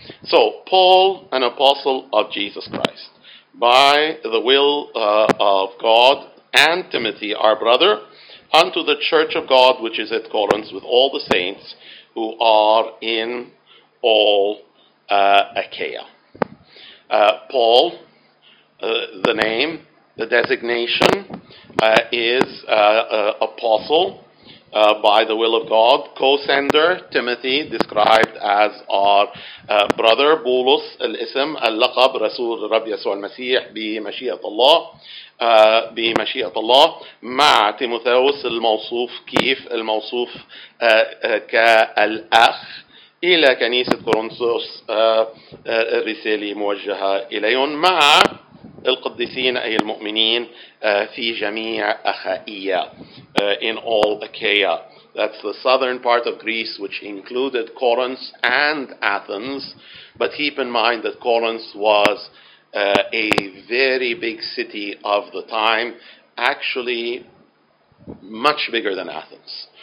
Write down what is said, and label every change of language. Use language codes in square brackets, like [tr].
[en] So, Paul, an apostle of Jesus Christ, by the will of God, and Timothy, our brother, unto the church of God, which is at Corinth, with all the saints who are in all Achaia. Paul, the name, the designation, is apostle by the will of God. Co-sender, Timothy, described as our brother. [ar] Bulus, الاسم, اللقب, رسول الرب يسوع المسيح بمشيئة الله. بمشيئة الله. مع تيموثاوس الموصوف كيف؟ الموصوف كالأخ إلى كنيسة كورنثوس. الرسالة موجهة إليهم مع القديسين أي المؤمنين في جميع أخائية. [en] In all Achaia. That's the southern part of Greece, which included Corinth and Athens. But keep in mind that Corinth was a very big city of the time, actually much bigger than Athens.